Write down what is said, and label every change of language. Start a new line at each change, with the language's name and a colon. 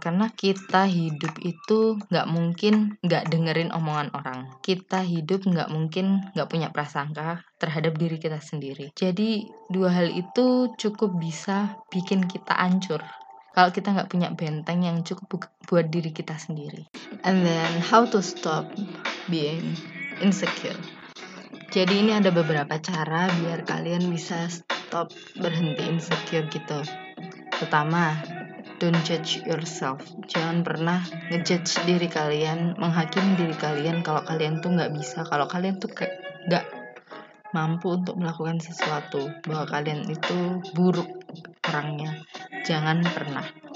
Indonesian: Karena kita hidup itu gak mungkin gak dengerin omongan orang. Kita hidup gak mungkin gak punya prasangka terhadap diri kita sendiri. Jadi dua hal itu cukup bisa bikin kita hancur kalau kita gak punya benteng yang cukup buat diri kita sendiri.
English: And then how to stop being insecure.
Indonesian: Jadi ini ada beberapa cara biar kalian bisa stop, berhenti insecure gitu. Pertama,
English: Don't judge yourself.
Indonesian: Jangan pernah ngejudge diri kalian, menghakimi diri kalian kalau kalian tuh gak bisa, kalau kalian tuh gak mampu untuk melakukan sesuatu, bahwa kalian itu buruk orangnya. Jangan pernah.